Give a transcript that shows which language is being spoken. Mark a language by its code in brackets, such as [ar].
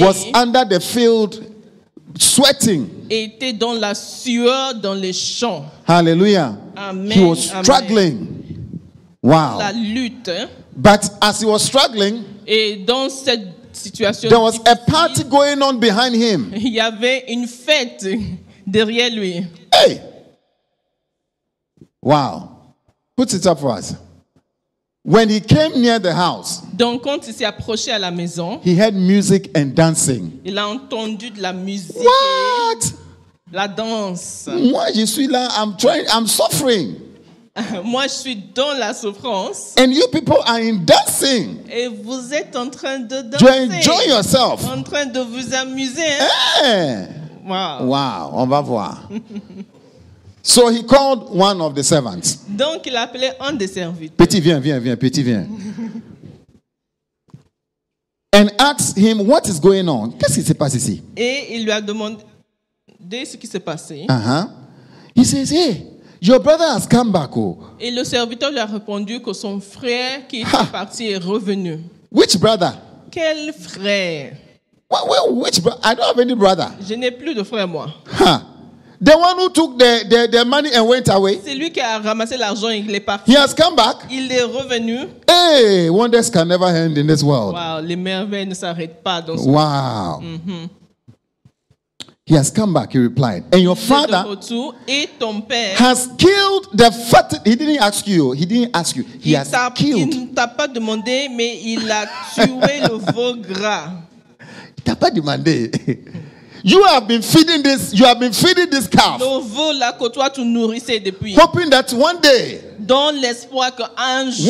[en] was under the field sweating. [fr] Était dans la sueur dans le champ. [en] Hallelujah. Amen. He was struggling. Amen. Wow. [fr] La lutte. [en] But as he was struggling, [fr] et dans cette situation, [en] there was a party going on behind him. [fr] Il y avait une fête derrière lui. [en] Hey! Wow. Put it up for us. When he came near the house, [fr] donc quand il s'est approché à la maison, [en] he heard music and dancing. [fr] Il a entendu de la musique. [en] What? [fr] La danse. Moi, je suis là, [en] I'm suffering. [fr] Moi, je suis dans la souffrance. [en] And you people are in dancing. [fr] Et vous êtes en train de danser. [en] You enjoy yourself. [fr] En train de vous amuser. [en] Hey! Wow. [fr] Wow, on va voir. [en] So he called one of the servants. [fr] Donc il a appelé un des serviteurs. Petit, viens. Petit, viens. [en] And asked him, what is going on? [fr] Qu'est-ce qui se passe ici? Et il lui a demandé ce qui s'est passé. Uh-huh. [en] He says, hey, your brother has come back. [fr] Et le serviteur lui a répondu que son frère qui était parti est revenu. [en] Which brother? [fr] Quel frère? [en] Well, which brother? I don't have any brother. [fr] Je n'ai plus de frère, moi. [en] The one who took the money and went away. [fr] C'est lui qui a ramassé l'argent et il est parti. [en] He has come back. [fr] Il est revenu. [en] Hey, wonders can never end in this world. [fr] Wow, les merveilles ne s'arrêtent pas dans ce [en] wow. [fr] Monde. [en] He has come back, he replied. And your father [fr] et ton père [en] has killed the fatted. He didn't ask you. He didn't ask you. He has killed. [fr] Il t'a pas demandé, mais il a tué le veau gras. Il t'a pas demandé. [en] You have been feeding this calf. [fr] Le veau là que toi tu nourrissais depuis. [en] Hoping that one day. [fr] Dans l'espoir que un jour.